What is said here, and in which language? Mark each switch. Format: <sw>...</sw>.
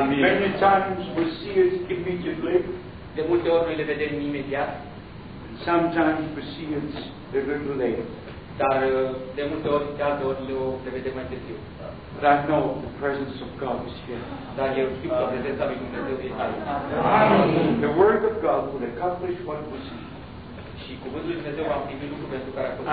<en>Many times we see it immediately.</en> <ro>De multe ori noi le vedem imediat.</ro> <en>Sometimes we see it a little later.</en> <ro>Dar de multe ori, de alte ori, le vedem mai târziu.</ro> <en>But I know the presence of God is here.</en> <ro>Dar eu știu că prezența lui Dumnezeu este aici.</ro> <en>The word of God will accomplish what was said.</en> <ro>Și cuvântul lui Dumnezeu va primi lucru pentru care a fost.</ro>